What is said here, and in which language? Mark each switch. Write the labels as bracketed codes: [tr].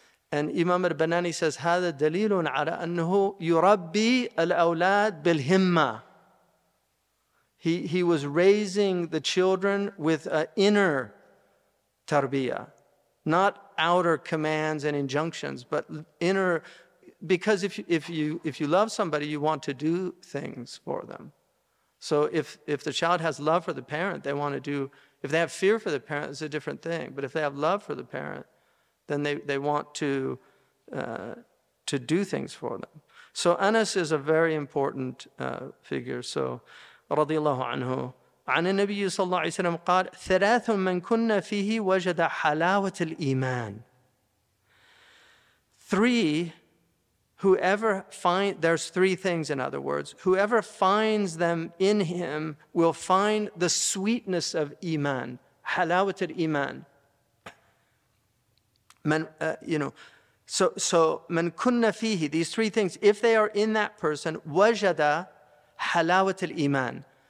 [en] And Imam al-Banani says, [ar] هَذَا دَلِيلٌ عَلَىٰ أَنْهُ يُرَبِّي الْأَوْلَادِ بِالْهِمَّةِ [en] He was raising the children with an inner tarbiyah, not outer commands and injunctions, but inner, because if you love somebody, you want to do things for them. So if the child has love for the parent, they want to do if they have fear for the parent, it's a different thing. But if they have love for the parent, then they want to do things for them. So Anas is a very important figure. So radiallahu anhu. [ar] عن النبي صلى الله عليه وسلم قال ثلاث من كنا فيه وجد حلاوة الإيمان. [en] Three, whoever find, there's three things in other words, whoever finds them in him will find the sweetness of Iman, [ar] حلاوة الإيمان. [en] من, you know, so [ar] من كنا فيه, [en] these three things, if they are in that person, [ar] وجد حلاوة الإيمان.